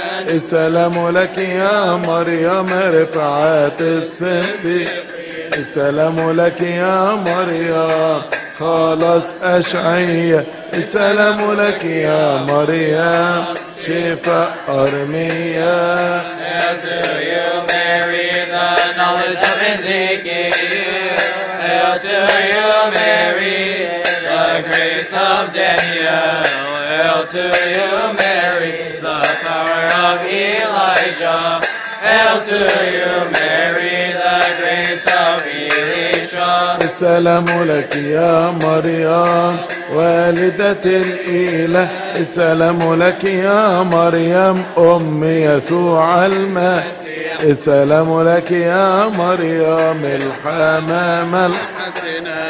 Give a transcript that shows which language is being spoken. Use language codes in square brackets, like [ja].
[ar] السلام لك يا مريم رفعات الصديق. السلام لك يا مريم خلاص أشعية. السلام لك يا مريم شفاء أرمية. [en] Hail to you, Mary, the grace of Daniel. Hail to you, Mary, the power of Elijah. Hail to you, Mary, the grace of Elisha. [ar] السلام لك يا مريم والدة الإله. السلام لك يا مريم أم يسوع المسيح. السلام لك يا مريم الحمامة الحسنة.